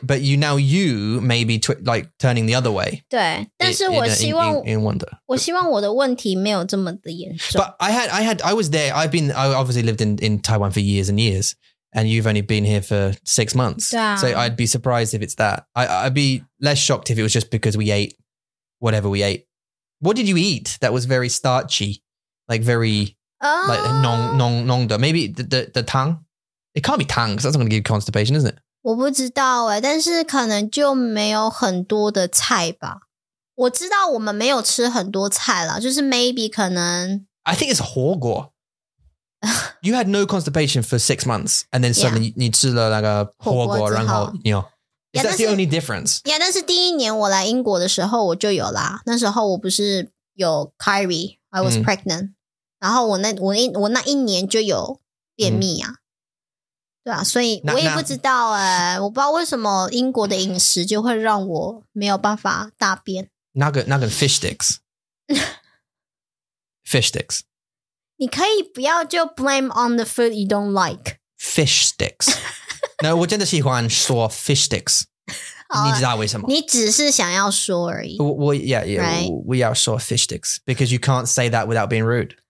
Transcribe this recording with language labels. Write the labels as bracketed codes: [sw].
[en] But you now you may be like turning the other way. [zh] 对但是我希望 [en] in wonder. [zh] 我希望我的问题没有这么的严重。 [en] But I was there, I've been, I obviously lived in Taiwan for years and years, and you've only been here for 6 months. [zh] 对啊。 [en] So I'd be surprised if it's that. I'd be less shocked if it was just because we ate whatever we ate. What did you eat that was very starchy? Like very, like nong de. Maybe the tongue? It can't be tongue, because that's not going to give you constipation, isn't it? [zh] 我不知道耶,但是可能就没有很多的菜吧。我知道我们没有吃很多菜啦，就是 maybe 可能 [en] I think it's 火锅 You had no constipation for 6 months and then suddenly、yeah. [zh] 你吃了那个火锅然后 [en] you know, Is that the only difference? [zh] Yeah, 但是第一年我来英国的时候我就有啦，那时候我不是有 Kyrie, [en] I was、 [zh] mm. pregnant 然后我那一年就有便秘啊、mm. 对啊，所以我也不知道哎，我不知道为什么英国的饮食就会让我没有办法大便。 [en] 那个 fish sticks, fish sticks. [zh] 你可以不要就 [en] blame on the food you don't like. Fish sticks. No, [zh] 我真的喜欢说 [en] fish sticks. [zh] 你知道为什么？你只是想要说而已。 [en] 我 yeah yeah,、right? [zh] 我要说 [en] fish sticks because you can't say that without being rude.